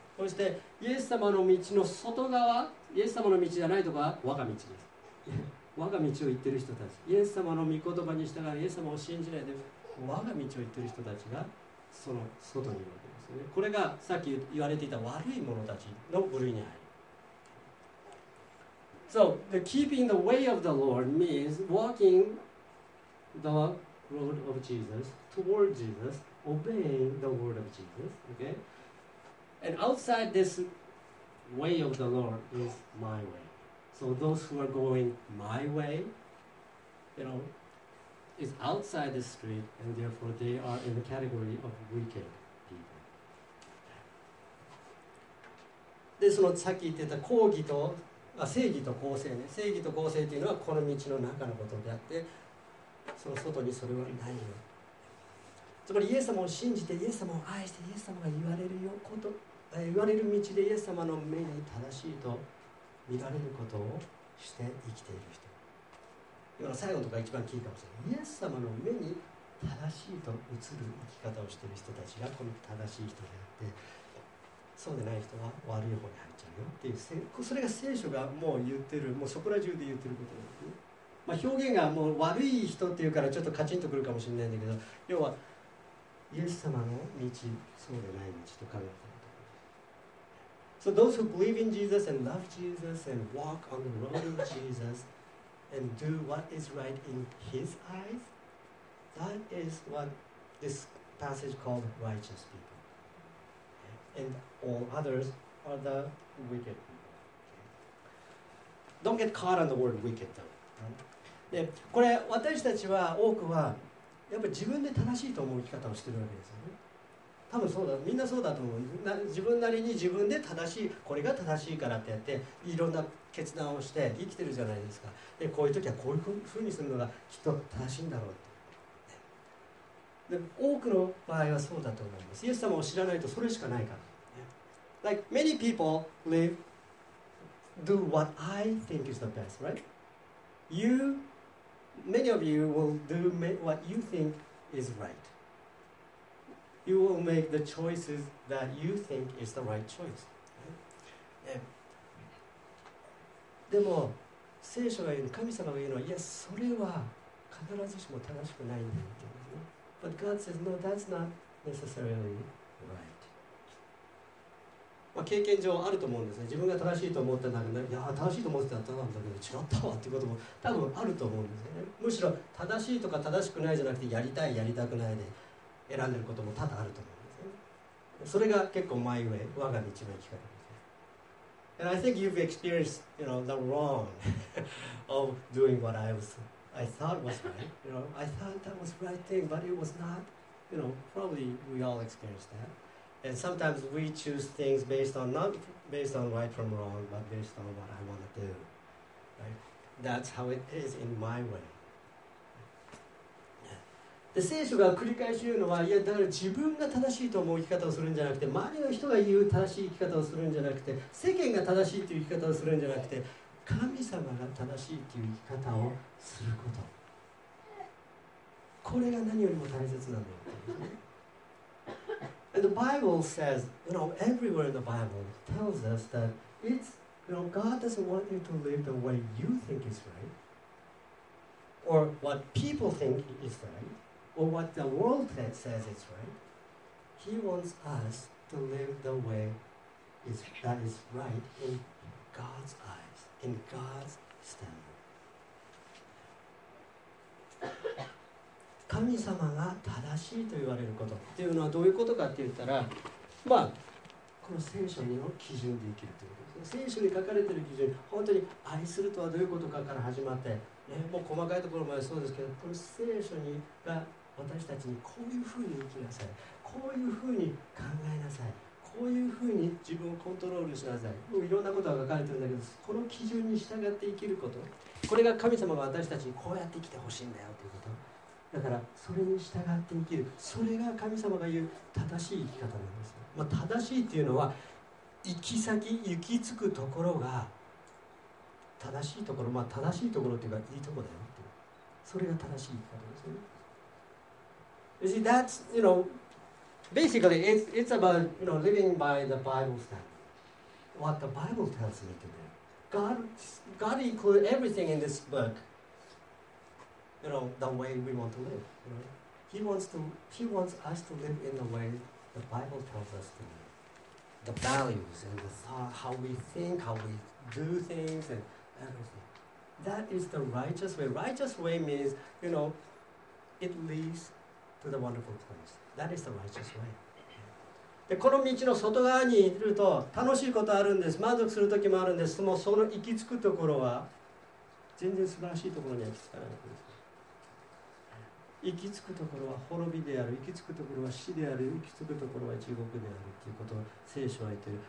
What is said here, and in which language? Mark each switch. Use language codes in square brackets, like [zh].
[ja] そしてイエス様の道の外側、イエス様の道じゃないとか我が道です。我が道を行ってる人たち、イエス様の御言葉に従いイエス様を信じないで我が道を行ってる人たちがその外にいるわけですね。これがさっき言われていた悪い者たちの部類に入る。 [en] So the keeping the way of the Lord means walking the road of Jesus toward Jesus, obeying the word of Jesus, okay? And outside thisway of the Lord is my way. So those who are going my way, you know, is outside the street, and therefore they are in the category of wicked people. [ja] で、そのさっき言ってた公義と、あ、正義と公正ね。正義と公正というのはこの道の中のことであって、その外にそれはないよ。つまりイエス様を信じて、イエス様を愛して、イエス様が言われるよこと。言われる道でイエス様の目に正しいと見られることをして生きている人。今の最後とか一番聞いたかもしれない。イエス様の目に正しいと映る生き方をしている人たちがこの正しい人であって、そうでない人は悪い方に入っちゃうよっていう、それが聖書がもう言ってる、もうそこら中で言ってることなんですね。まあ、表現がもう悪い人っていうからちょっとカチンとくるかもしれないんだけど、要はイエス様の道、そうでない道と考えて、 [en] So those who believe in Jesus and love Jesus and walk on the road of Jesus and do what is right in His eyes, that is what this passage called righteous people. And all others are the wicked people. Don't get caught on the word wicked though. [ja] で、これ私たちは多くはやっぱり自分で正しいと思う生き方をしているわけですよね。多分そうだ、みんなそうだと思う。自分なりに自分で正しい、これが正しいからってやっていろんな決断をして生きてるじゃないですか。でこういう時はこういうふうにするのがきっと正しいんだろうって。で多くの場合はそうだと思います。イエス様を知らないとそれしかないから。 [en] Like many people live, do what I think is the best, right? you, many of you will do what you think is right. You will make the choices that you think is the right choice. [ja] でも聖書が言うの、神様が言うのは、いやそれは必ずしも正しくないんだって。 [en] But God says, no, that's not necessarily right. [ja] まあ経験上あると思うんですね。自分が正しいと思ってたら、いや正しいと思ってたらだけど違ったわっていうことも多分あると思うんですね。むしろ正しいとか正しくないじゃなくて、やりたいやりたくないで選んでることも多々あると思うんですね。それが結構マイウェイ、我が道の生き方。 [en] And I think you've experienced, you know, the wrong of doing what I thought was right. You know, I thought that was the right thing, but it was not. You know, probably we all experienced that. And sometimes we choose things based on, not based on right from wrong, but based on what I want to do. Right? That's how it is in my way. [ja] で聖書が繰り返し言うのは、いやだから自分が正しいと思う生き方をするんじゃなくて、周りの人が言う正しい生き方をするんじゃなくて、世間が正しいという生き方をするんじゃなくて、神様が正しいという生き方をすること、これが何よりも大切なんだよ。 [en] And the Bible says, you know, everywhere in the Bible tells us that it's, you know, God doesn't want you to live the way you think is right or what people think is rightOr what the world says is right. He wants us to live the way is, that is right in God's eyes, in God's standard. [ja] 神様が正しいと言われることっていうのはどういうことかって言ったら、まあこの聖書の基準で生きるということですね。聖書に書かれている基準、本当に愛するとはどういうことかから始まって、ね、もう細かいところまでそうですけど、この聖書にが私たちにこういうふうに生きなさい、こういうふうに考えなさい、こういうふうに自分をコントロールしなさい、もういろんなことが書かれてるんだけど、この基準に従って生きること、これが神様が私たちにこうやって生きてほしいんだよということ、だからそれに従って生きる、それが神様が言う正しい生き方なんです。まあ、正しいっていうのは行き先、行き着くところが正しいところ、まあ、正しいところっていうかいいところだよっていう、それが正しい生き方ですね。 [en] You see, that's, you know, basically it's about, you know, living by the Bible standard. What the Bible tells me to do. God included everything in this book, you know, the way we want to live. You know? He wants us to live in the way the Bible tells us to live. The values and the thought, how we think, how we do things and everything. That is the righteous way. Righteous way means, you know, it leads to the wonderful place. That is the righteous way. [ja] で、この道の外側にいると楽しいことあるんです。満足する時もあるんです。もうその行き着くところは全然素晴らしいところには行き着かないんです。行き着くところは滅びである。行き着くところは死である。行き着くところは地獄であるということを聖書は言っている。